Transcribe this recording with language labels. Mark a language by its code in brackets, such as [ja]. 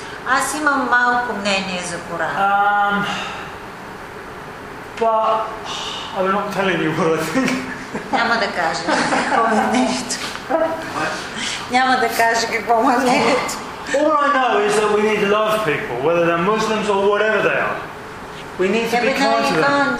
[bg] Аз имам малко мнение за Коран. [en] But I'm not telling you what I think. [bg] Няма да кажа какво е мнението. Няма да кажа какво е мнението. [en] All I know is that we need to love people, whether they're Muslims or whatever they are. We need to be kind to them.